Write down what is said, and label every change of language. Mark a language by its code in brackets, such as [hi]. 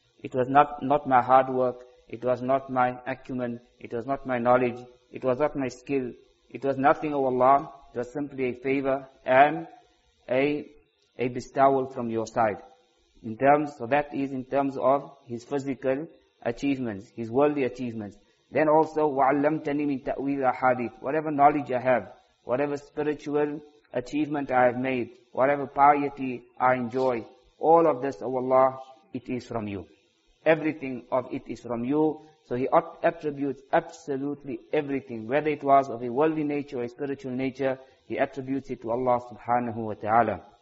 [en] It was not my hard work. It was not my acumen. It was not my knowledge. It was not my skill. It was nothing, O Allah. It was simply a favor and a bestowal from your side. In terms of his physical achievements, his worldly achievements. Then also, [ar] وَعَلَّمْتَنِي مِنْ تَأْوِيلَ الْحَدِيثِ. [en] Whatever knowledge I have, whatever spiritual achievement I have made, whatever piety I enjoy, all of this, O Allah, it is from you. Everything of it is from you. So he attributes absolutely everything, whether it was of a worldly nature or a spiritual nature, he attributes it to Allah subhanahu wa ta'ala.